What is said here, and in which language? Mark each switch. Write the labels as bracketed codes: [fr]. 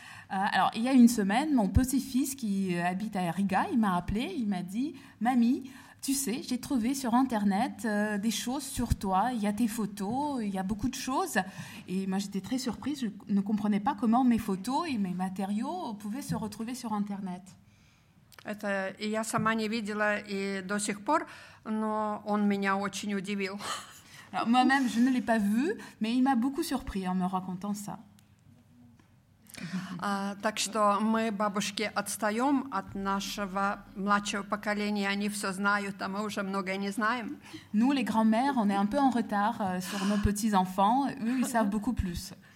[fr] Alors, il y a une semaine, mon petit-fils qui habite à Riga, il m'a appelé, il m'a dit « Mamie, tu sais, j'ai trouvé sur Internet des choses sur toi, il y a tes photos, il y a beaucoup de choses ». Et moi, j'étais très surprise, je ne comprenais pas comment mes photos et mes matériaux pouvaient se retrouver sur Internet. [ru] Это я сама не видела и до сих пор, но он меня очень удивил. [fr] Alors, moi-même, je ne l'ai pas vu, mais il m'a beaucoup surpris en me racontant ça. [ru] Так что мы, бабушки, отстаем от нашего младшего поколения, они все знают, а мы уже многое не знаем. [fr] Nous, les grands-mères, on est un peu en retard sur nos petits-enfants, eux, ils savent beaucoup plus.